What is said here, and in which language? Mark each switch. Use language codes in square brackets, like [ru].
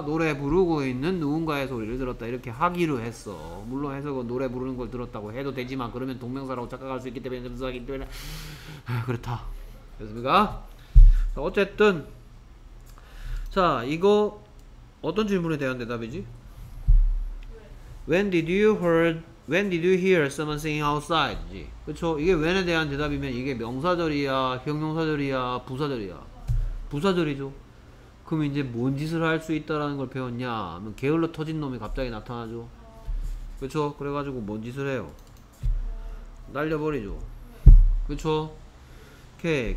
[ko] 노래 부르고 있는 누군가의 소리를 들었다 이렇게 하기로 했어. 물론 해석은 노래 부르는 걸 들었다고 해도 되지만 그러면 동명사라고 착각할 수 있기 때문에 접수하기 때문에 그렇다 됐습니까? 자, 어쨌든 자 이거 어떤 질문에 대한 대답이지? [en] When did you heard When did you hear someone singing outside? [ko] 그렇죠. 이게 when에 대한 대답이면 이게 명사절이야, 형용사절이야, 부사절이야. 부사절이죠. 그럼 이제 뭔 짓을 할 수 있다라는 걸 배웠냐? 하면 게을러 터진 놈이 갑자기 나타나죠. 그렇죠. 그래가지고 뭔 짓을 해요? 날려버리죠. 그렇죠. 오케이.